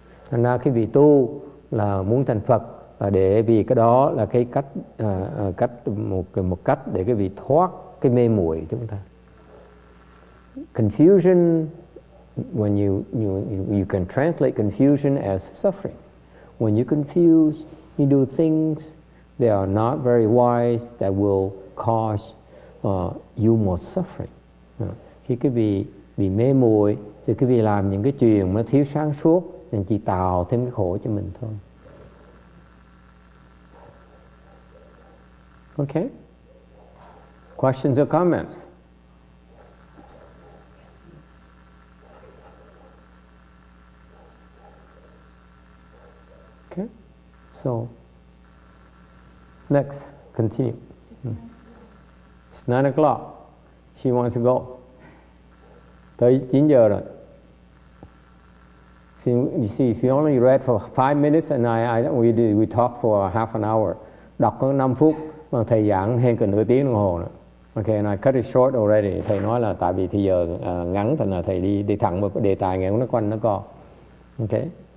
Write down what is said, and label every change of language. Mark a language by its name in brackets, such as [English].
[Vietnamese] Thành ra cái vị tu là muốn thành Phật để vì cái đó là cái cách cách một cách để cái vị thoát cái mê muội chúng ta. [English] confusion, when you can translate confusion as suffering. When you confuse, you do things that are not very wise that will cause you more suffering. [Vietnamese] Khi cái bị mê muội thì cái vị làm những cái chuyện mà thiếu sáng suốt nên chỉ tạo thêm cái khổ cho mình thôi. [English] Okay. Questions or comments? Okay. So next, continue. It's 9 o'clock. She wants to go. [Vietnamese] Tới 9 giờ rồi. [English] See, you see, if you only read for 5 minutes and we talked for half an hour. [Vietnamese] Đọc có 5 phút mà thầy giảng hơn cả nửa tiếng đồng hồ nữa. Okay, [English] and I cut it short already. [Vietnamese] Thầy nói là tại vì thì giờ ngắn thành là thầy đi thẳng vào đề tài ngày hôm nó quanh nó co. Okay.